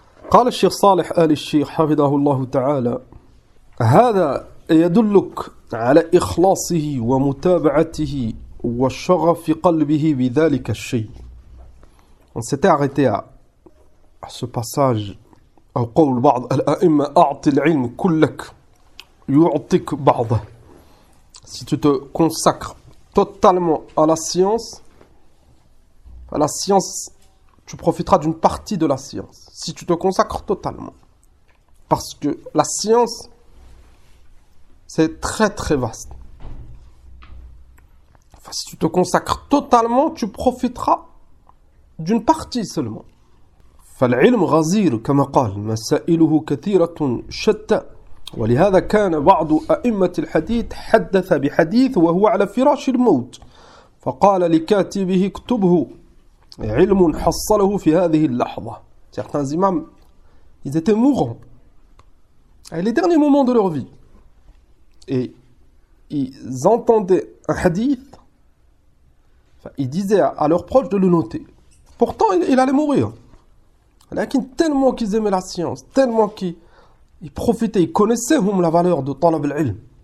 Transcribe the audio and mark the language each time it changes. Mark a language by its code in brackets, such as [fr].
[ar] Qala al-Sheikh Salih al-Sheikh, hafidahullahu ta'ala, هذا يدلك على إخلاصه ومتابعته والشغف في قلبه بذلك الشيء. [fr] On s'était arrêté à ce passage au [ar] قول بعض الأئمة أعطي العلم كلك يعطيك بعض. [fr] Si tu te consacres totalement à la science, tu profiteras d'une partie de la science. Si tu te consacres totalement, parce que la science c'est très très vaste. Enfin, si tu te consacres totalement, tu profiteras d'une partie seulement. [ar] فالعلم غزير كما قال مسائله كثيرة شتى ولهذا كان بعض أئمة الحديث حدث بحديث وهو على فراش الموت فقال لكاتبه اكتبه علم حصله في هذه اللحظة. [fr] Certains imams, ils étaient mourants à les derniers moments de leur vie. Et ils entendaient un hadith, enfin, ils disaient à leurs proches de le noter. Pourtant, il allait mourir. Lakin, tellement qu'ils aimaient la science, tellement qu'ils profitaient, ils connaissaient la valeur de talab al-ilm.